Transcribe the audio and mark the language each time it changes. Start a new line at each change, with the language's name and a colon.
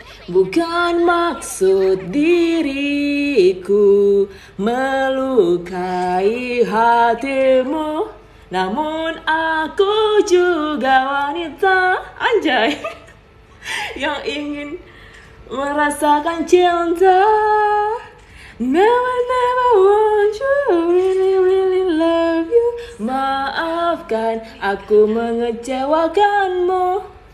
Indonesian: Bukan maksud diriku melukai hatimu. Namun aku juga wanita anjay yang ingin merasakan cinta.
English: Never never want you, really really love you.
Indonesian: Maafkan aku mengecewakanmu.